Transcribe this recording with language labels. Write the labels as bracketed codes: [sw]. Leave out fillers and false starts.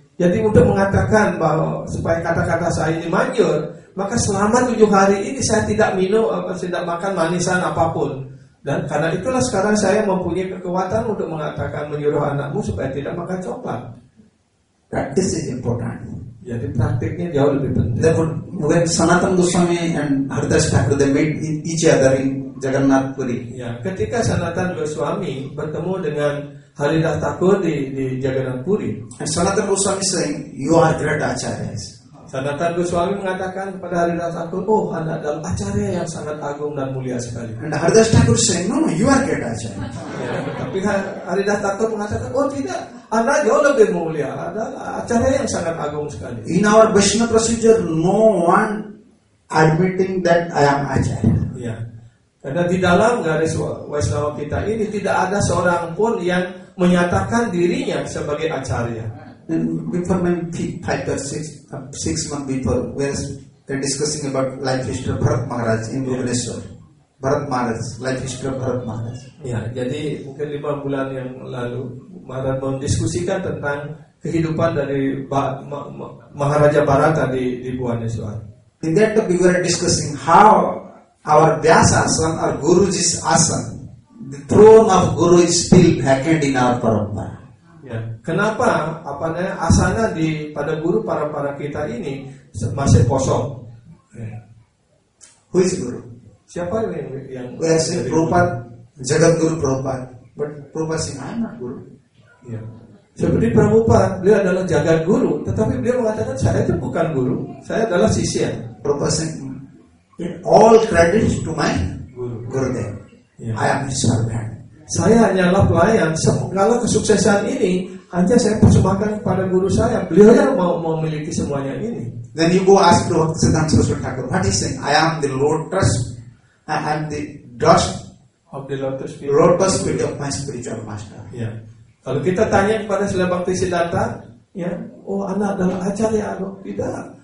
[id] Jadi untuk mengatakan bahwa supaya kata-kata saya ini manjur, maka selama 7 hari ini saya tidak minum apa, tidak makan manisan apapun. Dan karena itulah sekarang saya mempunyai kekuatan untuk mengatakan menyuruh anakmu supaya tidak makan coklat. [en] Practice is important. [id] Jadi praktiknya jauh lebih penting. [en] Therefore, when Sanatan Goswami and Haridas Thakur, they meet each other in Jagannath Puri. [id] Ya, ketika Sanatan Goswami bertemu dengan Haridas Thakur di Jagannath Puri, [en] and Sanatan Goswami saying, "You are great acharyas." [id] Sanatan Goswami mengatakan kepada Haridas Thakur, "Oh, Anda adalah acharya yang sangat agung dan mulia sekali." [en] And Haridas Thakur saying, "No, you are great acharya." [id] Ya, tapi Haridas Thakur mengatakan, "Oh, tidak. Anda jauh lebih mulia. Anda acharya yang sangat agung sekali." [en] In our Vaishnava procedure, no one admitting that I am acharya. [id] Ya. Karena di dalam garis Vaishnava kita ini tidak ada seorang pun yang menyatakan dirinya sebagai acharya. [en] Before my 5 or 6 months before, we are discussing about life history of Bharat Maharaj in Bhubaneswar. Bharat Maharaj, life history of Bharat Maharaj. [id] Ya, jadi mungkin 5 bulan yang lalu, Maharaj mendiskusikan tentang kehidupan dari Maharaja Bharata di Bhubaneswar. [en] In that time we were discussing how our Vyasa Asan, our Guruji's Asan, the throne of Guru is still vacant in our Parampara. [id] Ya. Kenapa apanya asana di pada guru para kita ini masih kosong? [en] Who is guru? [id] Siapa yang [en] we are saying Prabhupada, jagat guru Prabhupada, but Prabhupada saying I am not guru. [id] Ya. Seperti Prabhupada, beliau adalah jagat guru, tetapi beliau mengatakan saya itu bukan guru, saya adalah sisya. [en] Prabhupada saying all credits to my guru. Gurudev. Ya. I am his servant. [id] Saya hanyalah pelayan. Segala kesuksesan ini hanya saya persembahkan kepada guru saya. Beliau yang mau memiliki semuanya ini. [en] Then you go ask Lord Siddhanta Saraswati Thakur, what is saying? I am the lotus, I am the dust of the lotus feet. Lotus feet of my spiritual master. [id] Ya. Kalau kita tanya kepada Srila Bhakti Siddhanta, ya, oh anak adalah acarya atau tidak?